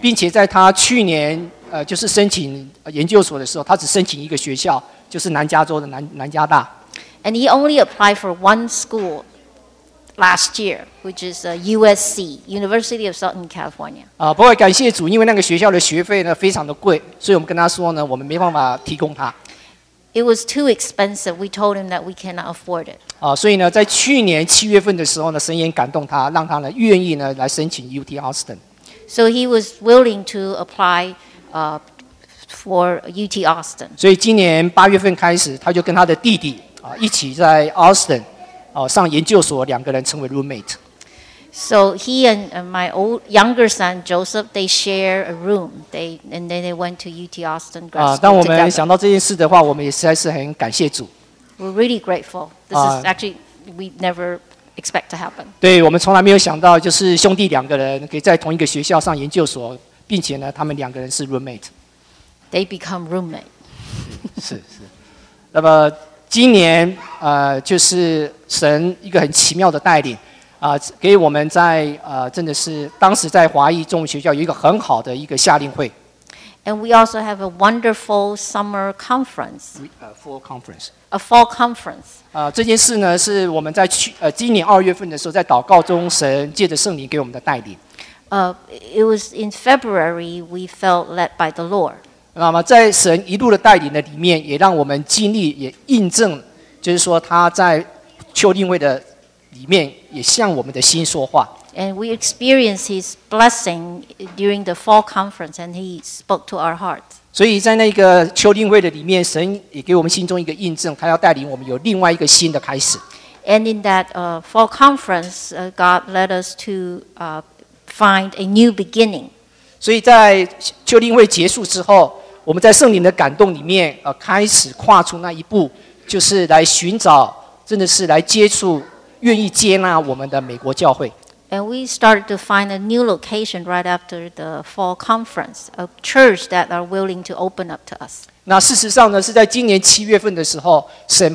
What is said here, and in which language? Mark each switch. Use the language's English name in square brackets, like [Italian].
[Chinese] 并且在他去年就是申请研究所的时候，他只申请一个学校，就是南加州的南加大。 [English] And he only applied for one school last year, which is USC, University of Southern California. [Chinese] 不过感谢主，因为那个学校的学费呢非常的贵，所以我们跟他说呢，我们没办法提供他。 [English] It was too expensive. We told him that we cannot afford it. [Chinese] 所以呢，在去年七月份的时候呢，神也感动他，让他呢愿意呢来申请 UT Austin. [English] So he was willing to apply. For UT Austin. [Chinese] 所以今年八月份开始，他就跟他的弟弟一起在 Austin 上研究所，两个人成为 roommate. [English] So he and my old younger son Joseph, they share a room. And then they went to UT Austin. [Chinese] 当我们想到这件事的话，我们也实在是很感谢主。 [English] We're really grateful. This is actually we never expect to happen. [Chinese] 对，我们从来没有想到，就是兄弟两个人可以在同一个学校上研究所。并且呢，他们两个人是 roommate. [English] They become roommate. [Chinese] 是。那么今年就是神一个很奇妙的带领给我们在真的是当时在华裔中文学校有一个很好的一个夏令会。 [English] And we also have a wonderful summer conference. Fall conference. A fall conference. [Chinese] 这件事呢，是我们在今年二月份的时候，在祷告中，神借着圣灵给我们的带领。 [English] It was in February we felt led by the Lord. [Chinese] 那么在神一路的带领的里面，也让我们经历，也印证，就是说他在秋令会的里面也向我们的心说话。 [English] And we experienced his blessing during the fall conference, and he spoke to our hearts. [Chinese] 所以在那个秋令会的里面，神也给我们心中一个印证，他要带领我们有另外一个新的开始。 [English] And in that fall conference, God led us to find a new beginning. [Chinese] 所以在秋令会结束之后，我们在圣灵的感动里面开始跨出那一步，就是来寻找，真的是来接触，愿意接纳我们的美国教会。 [English] And we started to find a new location right after the fall conference, a church that are willing to open up to us. [Chinese] 那事实上呢，是在今年七月份的时候 St.